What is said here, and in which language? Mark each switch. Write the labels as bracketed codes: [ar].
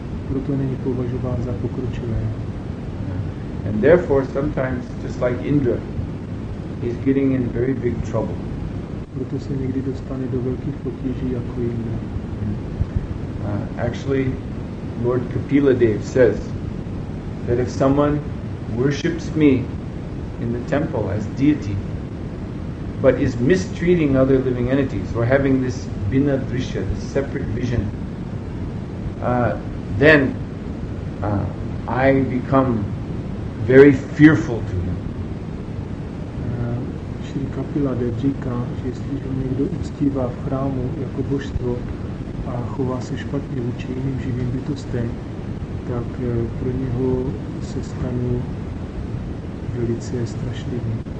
[cs] Proto není považován za pokročilé. [en] And therefore, sometimes, just like Indra, he's getting in very big trouble. [cs] Proto se někdy dostane do velkých potíží jako Indra. [en] Actually, Lord Kapila Dev says that if someone worships me in the temple as deity, but is mistreating other living entities or having this bina drisha, this separate vision, then I become very fearful to him. [cs] Shri Kapila Dev říká, že jestliže někdo uctívá v chrámu jako božstvo a chová se špatně vůči jiným živým bytostem, tak pro něho se stane velice strašlivý.